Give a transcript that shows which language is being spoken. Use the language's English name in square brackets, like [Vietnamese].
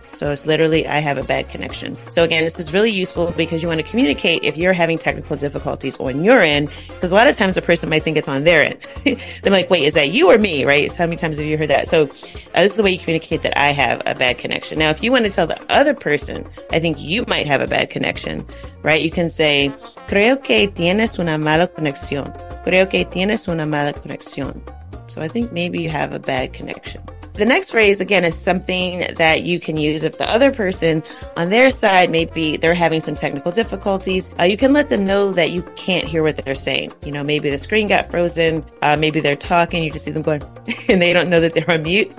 [English] So it's literally, I have a bad connection. So again, this is really useful because you want to communicate if you're having technical difficulties on your end, because a lot of times the person might think it's on their end. They're like, wait, is that you or me, right? So how many times have you heard that? So this is the way you communicate that I have a bad connection. Now, if you want to tell the other person, I think you might have a bad connection, right? You can say, [Spanish] creo que tienes una mala conexión. Creo que tienes una mala conexión. [English] So I think maybe you have a bad connection. The next phrase, again, is something that you can use if the other person on their side, maybe they're having some technical difficulties. You can let them know that you can't hear what they're saying. You know, maybe the screen got frozen. Maybe they're talking. You just see them going and they don't know that they're on mute.